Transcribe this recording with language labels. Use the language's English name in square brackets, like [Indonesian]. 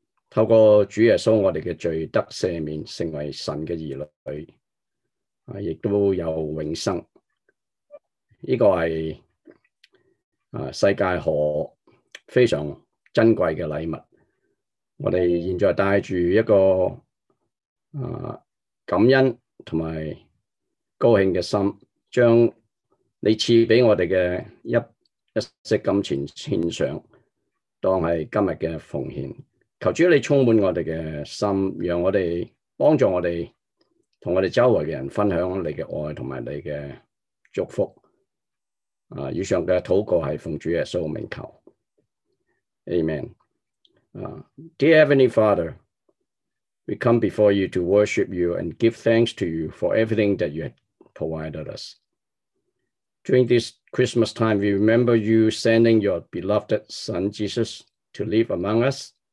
[Vietnamese] Thông qua Chúa Giêsu, tội của tôi được tha thứ, trở thành con của Chúa, cũng có sự sống mãi. Đây là [Chinese] 世界何非常珍贵的礼物，我们现在带着一个感恩和高兴的心，将你赐给我们的一息金钱献上，当是今天的奉献。求主你充满我们的心，让我们帮助我们和我们周围的人分享你的爱和你的祝福。以上的祷告是奉主耶稣名求。 [English] Amen. Dear Heavenly Father, we come before you to worship you and give thanks to you for everything that you have provided us. During this Christmas time, we remember you sending your beloved Son Jesus to live among us.